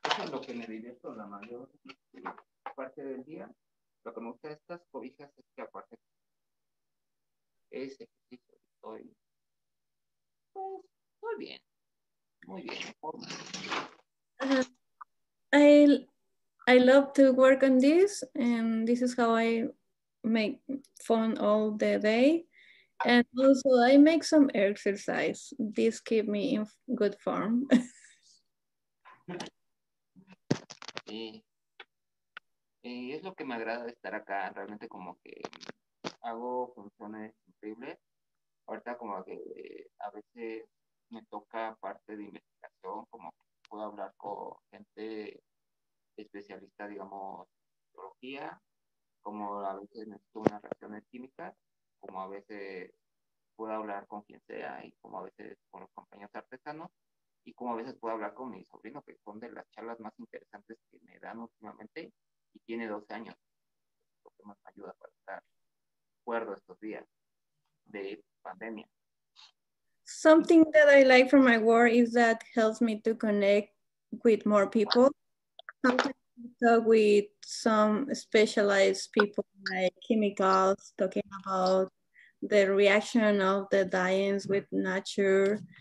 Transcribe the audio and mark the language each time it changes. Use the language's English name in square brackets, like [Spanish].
[Spanish] Lo que me divierto la mayor parte del día, lo que me gusta de estas cobijas es que aparte es ejercicio, estoy muy bien en forma. [English] I love to work on this, and this is how I make fun all the day, and also I make some exercise. This keep me in good form. [Spanish] Y es lo que me agrada de estar acá, realmente como que hago funciones increíbles. Ahorita como que a veces me toca parte de investigación, como que puedo hablar con gente especialista, digamos, en biología, como a veces necesito unas reacciones químicas, como a veces puedo hablar con quien sea. sea, y como a veces con los compañeros artesanos, y como a veces puedo hablar con mi sobrino, que son de las charlas más interesantes que me dan últimamente, y tiene 12 años, lo que más me ayuda para estar cuerdo estos días de pandemia. [English] Something that I like from my work is that helps me to connect with more people. Sometimes I talk with some specialized people like chemicals, talking about the reaction of the dyes with nature.